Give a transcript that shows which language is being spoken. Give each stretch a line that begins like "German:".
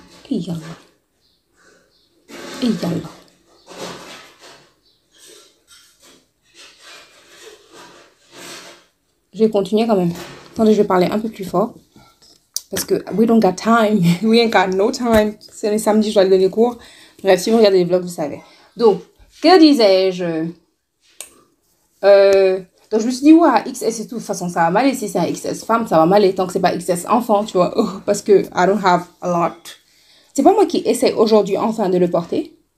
French: Et y'a là. Je vais continuer quand même. Attendez, je vais parler un peu plus fort. Parce que
English: we don't got time, we ain't got no time.
French: C'est le samedi, je dois donner cours. Bref, si vous regardez les vlogs, vous savez. Donc, que disais-je? Donc, je me suis dit, ouais, XS et tout. De toute façon, ça va mal. Et si c'est un XS femme, ça va mal. Et tant que c'est pas XS enfant, tu vois.
English: Oh,
French: parce que
English: I don't have a lot.
French: C'est pas moi qui essaie aujourd'hui enfin de le porter.